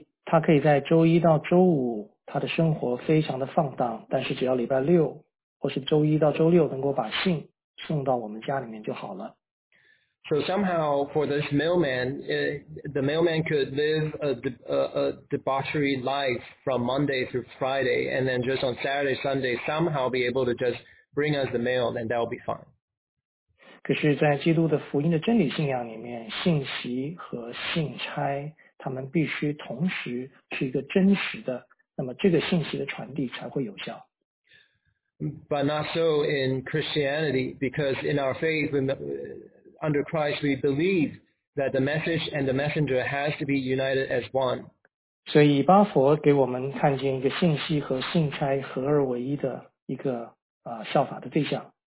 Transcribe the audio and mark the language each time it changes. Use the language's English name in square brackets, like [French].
[Chinese] 他可以在周一到周五，他的生活非常的放荡，但是只要礼拜六或是周一到周六能够把信送到我们家里面就好了。 [English] So somehow for this mailman, the mailman could live a debauchery life from Monday through Friday, and then just on Saturday, Sunday, somehow be able to just bring us the mail, and that will be fine. [Chinese] 可是在基督的福音的真理信仰里面，信息和信差，他们必须同时是一个真实的，那么这个信息的传递才会有效。 [English] But not so in Christianity, because in our faith, under Christ, we believe that the message and the messenger has to be united as one. [Chinese] 所以以巴佛给我们看见一个信息和信差合而为一的一个效法的对象。